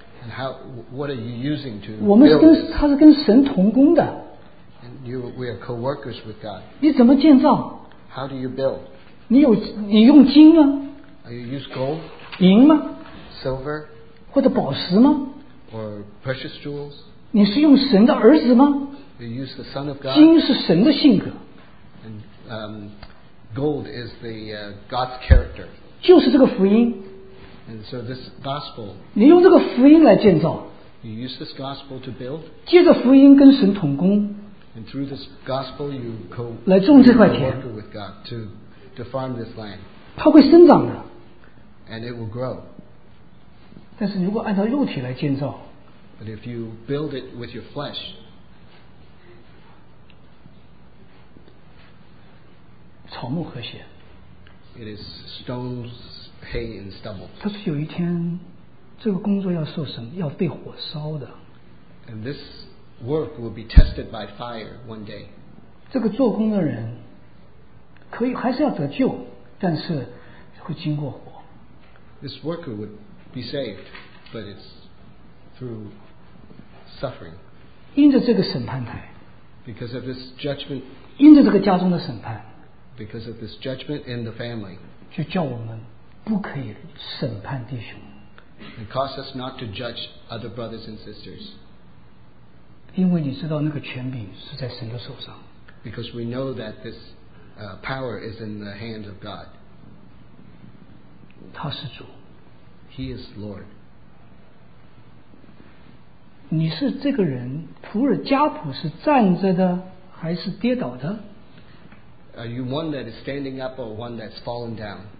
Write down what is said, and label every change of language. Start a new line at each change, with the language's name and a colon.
English: And how, what are you using to build?
Chinese: 我们是跟, 他是跟神同工的。
English: And you, we are co-workers with God.
Chinese: 你怎么建造?
English: How do you build?
Chinese: 你有, 你用金吗?
English: Are you use gold?
Chinese: 银吗?
English: Silver?
Chinese: 或者宝石吗?
English: Or precious jewels?
Chinese: 你是用神的儿子吗?
English: You use the son of God.
Chinese: 金是神的性格。
English: And, Gold is the God's character.
Chinese: 就是这个福音。
English: And so this gospel.
Chinese: 你用这个福音来建造。
English: You use this gospel to build.
Chinese: 借着福音跟神同工。
English: And through this gospel, you co.
Chinese: 来种这块田。
English: With God to farm this land.
Chinese: 它会生长的。
English: And it will grow.
Chinese: 但是如果按照肉体来建造。
English: But if you build it with your flesh.
Chinese: 草木和谐。
English: It is stones, hay, and stubble.
Chinese: 他说有一天，这个工作要受审，要被火烧的。
English: And this work will be tested by fire one day.
Chinese: 这个做工的人，可以还是要得救，但是会经过火。
English: This worker would be saved, but it's through suffering.
Chinese: 因着这个审判台。
English: Because of this judgment.
Chinese: 因着这个家中的审判。
English: Because of this judgment in the family,
Chinese: 就叫我们不可以审判弟兄。
English: It causes us not to judge other brothers and sisters.
Chinese: 因为你知道那个权柄是在神的手上。
English: Because we know that this power is in the hands of God.
Chinese: 他是主。
English: He is Lord.
Chinese: 你是这个人，仆人家仆是站着的，还是跌倒的？
English: Are you one that is standing up or one that's fallen down?